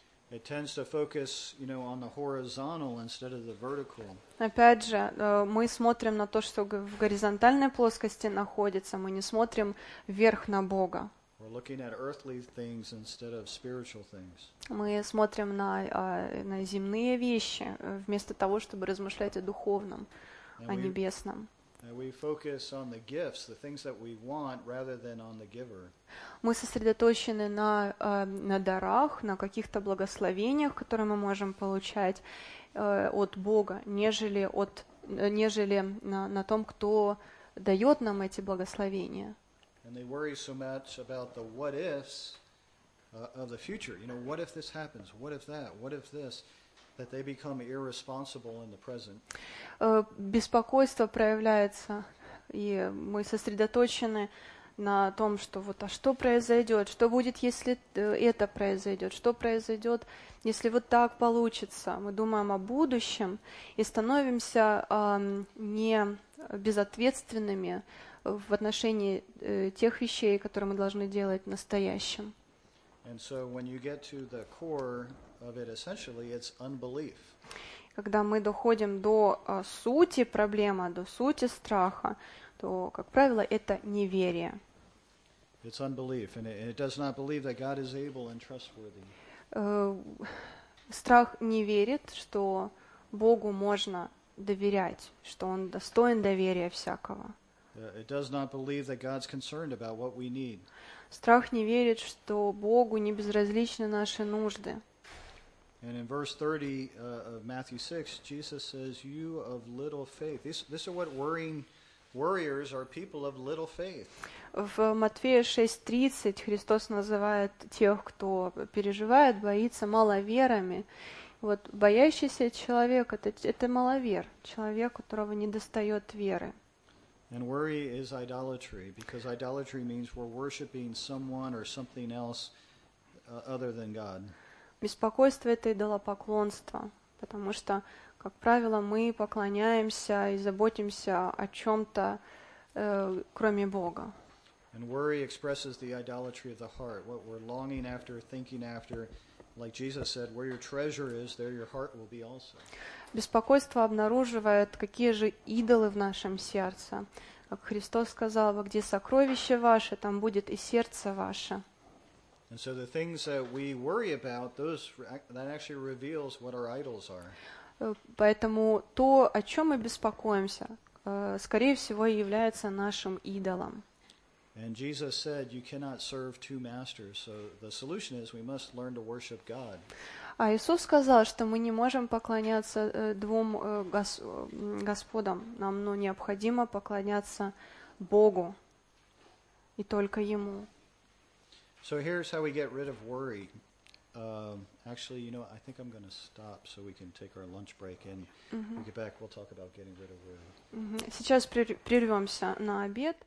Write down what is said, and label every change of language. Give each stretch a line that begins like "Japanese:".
English: It tends to focus, you know, on the horizontal instead of the vertical.
Russian: Опять же, мы смотрим на то, что в горизонтальной плоскости находится, мы не смотрим вверх на Бога.
English: We're looking at earthly things instead of spiritual things.
Russian: Мы смотрим на земные вещи вместо того, чтобы размышлять о духовном, о небесном.
English: And we focus on the gifts, the things that we want, rather than on the giver.
Russian: Мы сосредоточены на дарах, на каких-то благословениях, которые мы можем получать от Бога, нежели на том, кто дает нам эти благословения.
English: And they worry so much about the what ifs of the future. You know, what if this happens? What if that? What if this? That they become irresponsible in the present.
Russian: Беспокойство проявляется, и мы сосредоточены на том, что вот, а что произойдет? Что будет, если это произойдет? Что произойдет, если вот так получится? Мы думаем о будущем и становимся не безответственными в отношении тех вещей, которые мы должны делать в настоящем.
English: And so when you get to the core of it, essentially, it's unbelief.
Russian: Когда мы доходим до сути проблемы, до сути страха, то, как правило, это неверие.
English: It's unbelief, and it does not believe that God is able and trustworthy.
Russian: Страх не верит, что Богу можно доверять, что Он достоин доверия всякого.
English: It does not believe that God's concerned about what we need.
Russian: Страх не верит, что Богу не безразличны наши нужды.
English: And in verse 30 of Matthew 6, Jesus says, "You of little faith." These are what worriers are, people of little faith.
Russian: В Матфея 6:30 Христос называет тех, кто переживает, боится, маловерами. Вот боящийся человек — это маловер, человек, у которого недостает веры.
English: And worry is idolatry, because idolatry means we're worshiping someone or something else other than God.
Russian: Беспокойство — это идолопоклонство, потому что, как правило, мы поклоняемся и заботимся о чем-то, кроме Бога.
English: And worry expresses the idolatry of the heart, what we're longing after, thinking after, Like Jesus said, where your treasure is, there your heart will be also.
Russian: Беспокойство обнаруживает, какие же идолы в нашем сердце. Как Христос сказал, во где сокровище ваше, там будет и сердце ваше.
English: And so the things that we worry about, those that actually reveals what our idols are.
Russian: Поэтому то, о чем мы беспокоимся, скорее всего, является нашим идолом.
English: And Jesus said, you cannot serve two masters. So the solution is, we must learn to worship God.
Russian: А Иисус сказал, что мы не можем поклоняться двум господам. Нам, ну, необходимо поклоняться Богу и только Ему.
English: So here's how we get rid of worry. Actually, you know, I think I'm going to stop so we can take our lunch break and we get back, we'll talk about getting rid of worry.
Russian: Сейчас прервемся на обед.